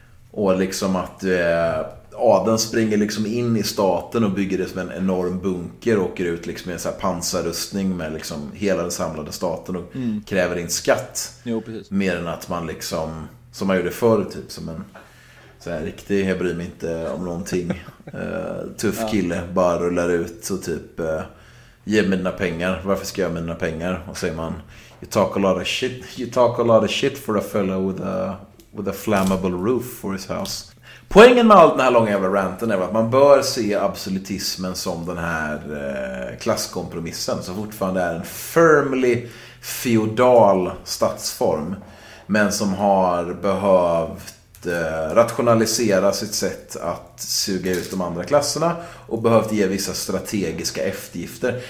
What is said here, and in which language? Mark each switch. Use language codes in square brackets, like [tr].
[sv] Och liksom att adeln springer liksom in i staten och bygger det som en enorm bunker och åker ut liksom i en så här pansarrustning med liksom hela den samlade staten och kräver in skatt. Jo, mer än att man liksom, som man gjorde förr, typ som en så här riktig, jag bryr mig inte om någonting, tuff kille, bara rullar ut och typ ge mina pengar, varför ska jag ha mina pengar? Och säger man, [en] you talk a lot of shit for a fellow with a flammable roof for his house. [sv] Poängen med all den här långa jävla ranten är att man bör se absolutismen som den här klasskompromissen som fortfarande är en firmly feodal statsform, men som har behövt rationalisera sitt sätt att suga ut de andra klasserna och behövt ge vissa strategiska eftergifter.